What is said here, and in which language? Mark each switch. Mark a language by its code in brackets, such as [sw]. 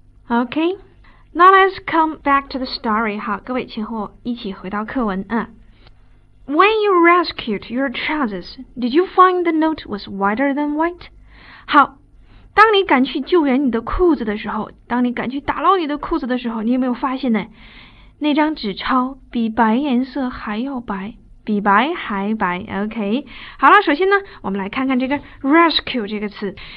[en] Okay, now let's come back to the story. [zh] 好，各位请和我一起回到课文。 [en] When you rescued your trousers, did you find the note was whiter than white? [zh] 好，当你赶去救援你的裤子的时候，当你赶去打捞你的裤子的时候，你有没有发现呢？那张纸钞比白颜色还要白，比白还白。 Okay, 好了，首先呢，我们来看看这个 rescue 这个词。